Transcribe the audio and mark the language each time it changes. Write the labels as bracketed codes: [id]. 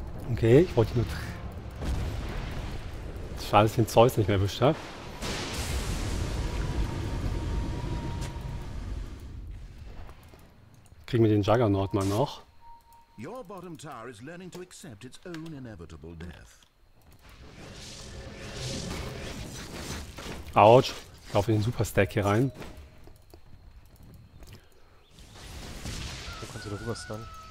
[de] Okay, ich wollte nur. Schade, dass ich den Zeus nicht mehr erwischt habe. Kriegen wir den Juggernaut mal noch? [en] Your bottom tower is learning to accept its own inevitable death. [de] Autsch, ich laufe in den Super-Stack hier rein. Wo kannst du da rüber stunnen?